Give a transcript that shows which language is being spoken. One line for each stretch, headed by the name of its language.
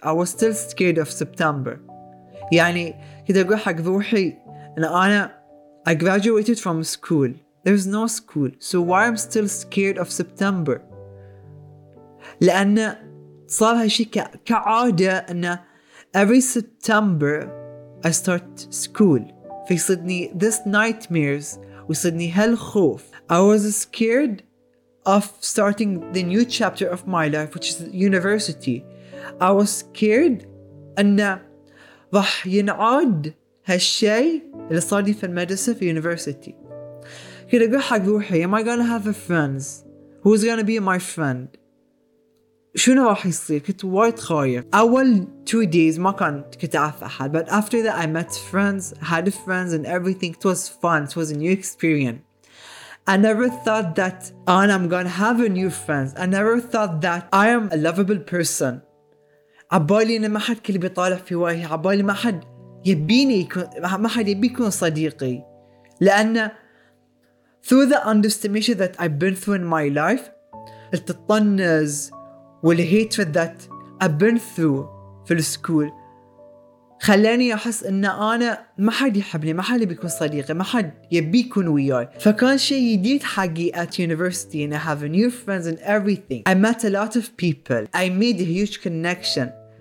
English: I was still scared of September.
Arabic: يعني كده أقول حق روحي أن أنا
English: I graduated from school. There's no school. So why I'm still scared of September?
Arabic: لأن صار هالشيء كعادة أن
English: every September I start school.
Arabic: فيصدني
English: this nightmares
Arabic: ويصدني هالخوف.
English: I was scared of starting the new chapter of my life, which is university. I was scared
Arabic: أن رح ينعاد هالشي اللي صار لي في المدرسة في university. كنت أقول حق روحي,
English: am I gonna have a friends? Who's gonna be my friend?
Arabic: شنو راح يصير؟ كنت وايد خايف. أول 2 days ما كنت أعرف أحد,
English: but after that I met friends, had friends and everything. It was fun, it was a new experience. I never thought that I'm gonna have a new friends. I never thought that I am a lovable person.
Arabic: عبالي إن ما حد كل بيطالع في وجهي. عبالي ما حد يبيني ما حد يبي يكون صديقي.
English: لأن through the underestimation that I've been through in my life,
Arabic: التطنز
English: والhatred that I've been through
Arabic: في السكول خلاني أحس إن أنا ما حد يحبني ما حد بيكون صديقي ما حد يبي يكون وياي فكان شيء جديد حقي
English: at university and I have new friends and everything I met a lot of people I made a huge connection